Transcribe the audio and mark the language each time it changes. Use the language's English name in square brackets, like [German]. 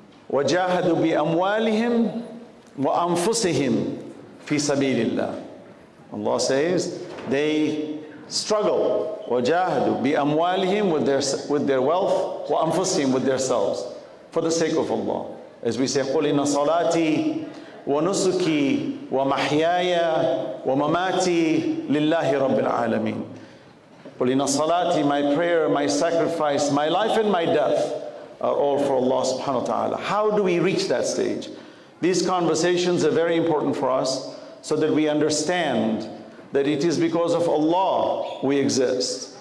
[Arabic] وَجَاهَدُوا بِأَمْوَالِهِمْ وَأَنفُسِهِمْ فِي سَبِيلِ اللَّهِ. [English] Allah says, they struggle. [Arabic] وَجَاهَدُوا بِأَمْوَالِهِمْ [English] with their wealth, [Arabic] وَأَنفُسِهِمْ [English] with their selves, for the sake of Allah. As we say, [Arabic] قُلْ إِنَّ صَلَاتِي وَنُسُكِي وَمَحْيَايَ وَمَمَاتِي لِلَّهِ رَبِّ الْعَالَمِينَ. قُلْ إِنَّ صَلَاتِي, [English] my prayer, my sacrifice, my life and my death are all for Allah subhanahu wa ta'ala. How do we reach that stage? These conversations are very important for us so that we understand that it is because of Allah we exist.